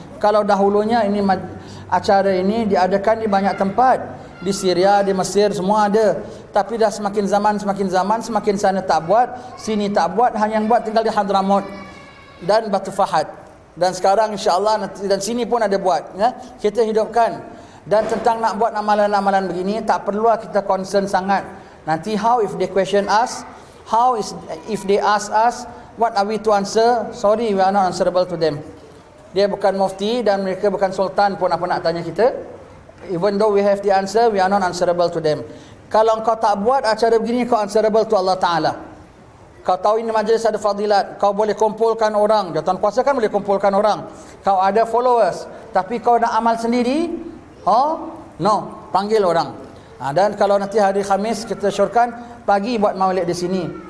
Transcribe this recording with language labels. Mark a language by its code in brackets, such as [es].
[ms] Kalau dahulunya ini acara ini diadakan di banyak tempat, di Syria, di Mesir semua ada. Tapi dah semakin zaman, semakin zaman, semakin sana tak buat, sini tak buat, hanya yang buat tinggal di Hadramaut dan Batu Fahad. Dan sekarang insyaAllah, dan sini pun ada buat, ya, kita hidupkan. Dan tentang nak buat amalan-amalan begini, tak perlulah kita concern sangat. Nanti [en] how if they question us, how is if they ask us, what are we to answer? Sorry, we are not answerable to them. [ms] Dia bukan mufti dan mereka bukan sultan pun apa nak tanya kita. [en] Even though we have the answer, we are not answerable to them. [ms] Kalau kau tak buat acara begini, kau [en] answerable to [ms] Allah Ta'ala. Kau tahu ini majlis ada fadilat, kau boleh kumpulkan orang, jawatan kuasa kan boleh kumpulkan orang. Kau ada followers, tapi kau nak amal sendiri? [en] Oh, no, [ms] panggil orang. Dan kalau nanti hari Khamis kita syorkan, pagi buat maulid di sini.